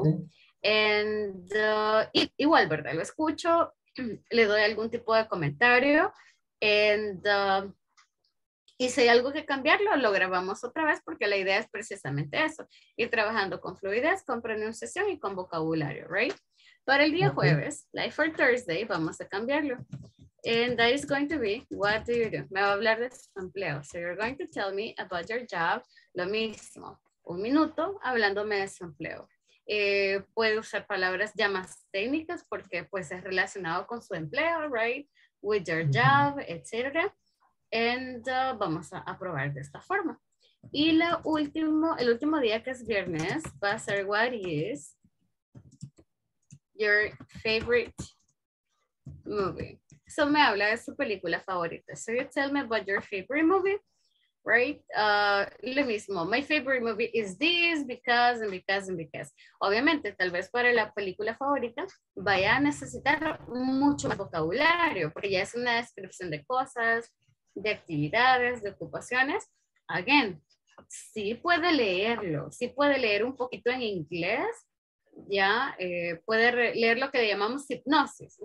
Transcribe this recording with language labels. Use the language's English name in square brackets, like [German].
[Spanish] Okay. And igual, ¿verdad? Lo escucho, le doy algún tipo de comentario. And y si hay algo que cambiarlo, lo grabamos otra vez porque la idea es precisamente eso. Ir trabajando con fluidez, con pronunciación y con vocabulario, right? Para el día jueves, [English] like for Thursday, [Spanish] vamos a cambiarlo. [English] And that is going to be, what do you do? [Spanish] Me va a hablar de su empleo. [English] So you're going to tell me about your job. [Spanish] Lo mismo. Un minuto hablándome de su empleo. Puede usar palabras ya más técnicas porque pues es relacionado con su empleo, right? [English] With your job, [Spanish] etc. And vamos a probar de esta forma. Y lo último, el último día que es viernes va a ser [English] what is your favorite movie. [Spanish] So me habla de su película favorita. [English] So you tell me about your favorite movie, right? [Spanish] Lo mismo, [English] my favorite movie is this, because, and because, and because. [Spanish] Obviamente, tal vez para la película favorita vaya a necesitar mucho más vocabulario, porque ya es una descripción de cosas, de actividades, de ocupaciones. Again, sí puede leerlo, sí puede leer un poquito en inglés, ya puede leer lo que llamamos hipnosis.